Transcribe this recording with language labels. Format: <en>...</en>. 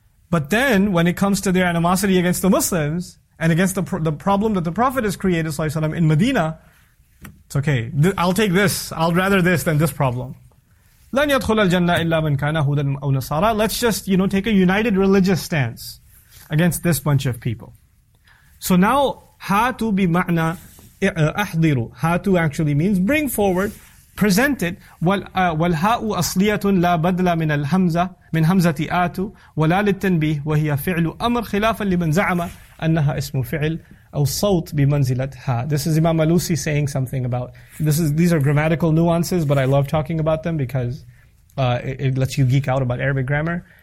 <en>But then, when it comes to their animosity against the Muslims, and against the problem that the Prophet has created sallallahu alayhi wa sallam, in Medina, it's okay. I'll take this. I'll rather this than this problem.</en> <ar>لَنْ يَدْخُلَ الْجَنَّةِ إِلَّا مَنْ كَانَ هُدًا أَوْ نَصَارَى.</ar> <en>Let's just, you know, take a united religious stance against this bunch of people. So now,</en> <ar>هَاتُوا بِمَعْنَى أَحْضِرُوا.</ar> <en>هَاتُوا actually means bring forward, present it.</en> <ar>وَالْهَاءُ أَصْلِيَةٌ لَا بَدْلَ مِنَ الْهَمْزَةِ مِنْ هَمْزَةِ آتُ وَلَا لِلْتَنْبِيهِ وَهِيَ فِعْلُ أَمْرٍ خِلَافًا لِمَنْ زَعَمَ أَنَّهَا اسْمُ فِعْلٍ أَوْ صَوْتٍ بِمَنْزِلَةِ هَا.</ar> <en>This is Imam Alusi saying something about, these are grammatical nuances, but I love talking about them because it lets you geek out about Arabic grammar.</en>